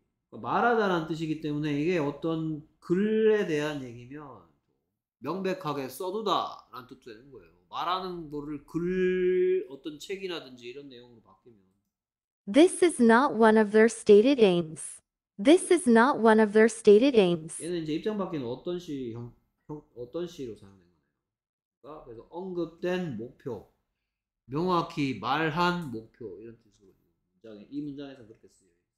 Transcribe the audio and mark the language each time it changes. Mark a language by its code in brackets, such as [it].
[ko] 말하다라는 뜻이기 때문에 이게 어떤 글에 대한 얘기면 명백하게 써두다라는 뜻도 되는 거예요. 말하는 거를 글, 어떤 책이라든지 이런 내용으로 바뀌면. [en] This is not one of their stated aims. This is not one of their stated aims. [ko] 얘는 이제 입장 바뀌는 어떤 시, 어떤 시로 사용된 거예요. 그래서 언급된 목표, 명확히 말한 목표 이런 뜻으로 문장에, 이 문장에서 그렇게 쓰여요.